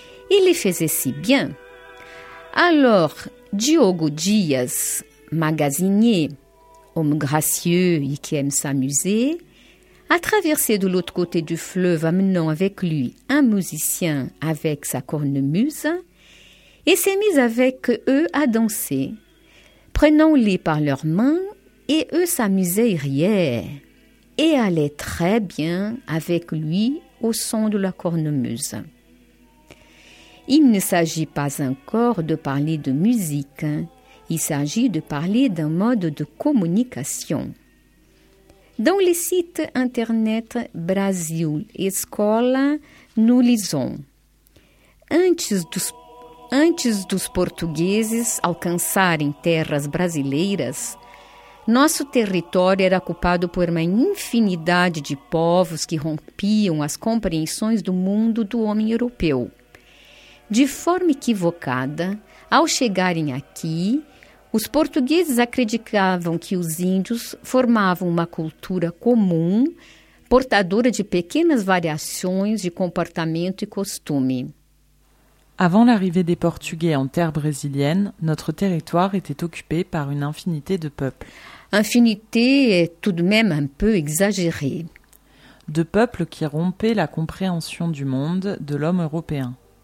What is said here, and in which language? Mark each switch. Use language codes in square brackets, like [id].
[fr] Ils les faisaient si bien. Alors, Diogo Dias, magasinier, homme gracieux et qui aime s'amuser, a traversé de l'autre côté du fleuve amenant avec lui un musicien avec sa cornemuse et s'est mis avec eux à danser, prenant-les par leurs mains et eux s'amusaient et riaient et allaient très bien avec lui au son de la cornemuse. Il ne s'agit pas encore de parler de musique, il s'agit de parler d'un mode de communication. Dans les sites internet Brasil Escola, nous lisons [pt] Antes dos portugueses alcançarem terras brasileiras, nosso território era ocupado por uma infinidade de povos que rompiam as compreensões do mundo do homem europeu. De forma equivocada, ao chegarem aqui, os portugueses acreditavam que os índios formavam uma cultura comum, portadora de pequenas variações de comportamento e costume. [fr] Avant l'arrivée des Portugais en terre brésilienne, notre territoire était occupé par une infinité de peuples. Infinité est tout de même un peu exagérée. De peuples qui rompaient la compréhension du monde de l'homme européen.